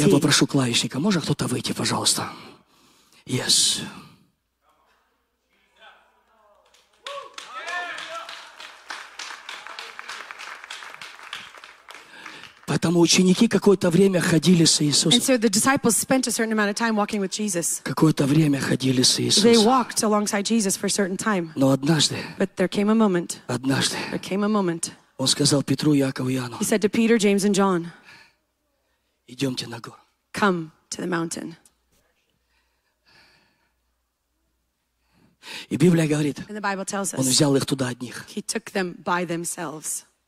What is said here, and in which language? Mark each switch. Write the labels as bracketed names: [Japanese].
[Russian] Я попрошу клавишника, может кто-то выйти, пожалуйста. [English] Yes. [Russian] Поэтому ученики какое-то время ходили с Иисусом. [English] And so the disciples spent a certain amount of time walking with Jesus. [Russian] Какое-то время ходили с Иисусом. [English] They walked alongside Jesus for a certain time. [Russian] Но однажды. [English] But there came a moment. [Russian] Однажды. [English] There came a moment. [Russian] Он сказал Петру, Якову, Иоанну. [English] He said to Peter, James, and John. [Russian] Идемте на гору. [English] Come to the mountain. [Russian] И Библия говорит. [English] And the Bible tells us. [Russian] Он взял их туда одних. [English] He took them by themselves.